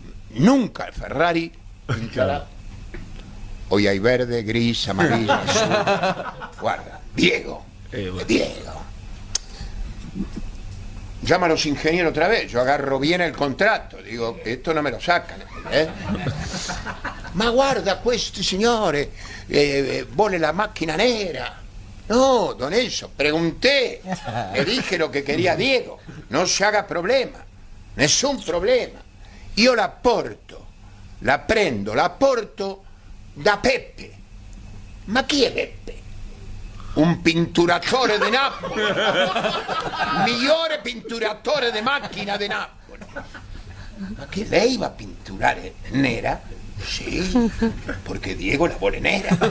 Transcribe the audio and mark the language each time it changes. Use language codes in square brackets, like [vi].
[es] ¡Nunca Ferrari pintará! Hoy hay verde, gris, amarillo, azul. [it] Guarda, Diego. Bueno. Diego. [es] Llama a los ingenieros otra vez. Yo agarro bien el contrato. Digo, esto no me lo sacan. [it] Ma guarda, questi signore, vuole la macchina nera. [es] No, Don Enzo, pregunté. Le dije lo que quería Diego. No se haga problema. Ningún problema. [it] Io la porto, la prendo, la porto da Peppe. Ma chi è Peppe? Un pinturatore di Napoli, migliore pinturatore di macchina di Napoli. Ma che lei va a pinturare nera? Sì, perché Diego la vuole nera.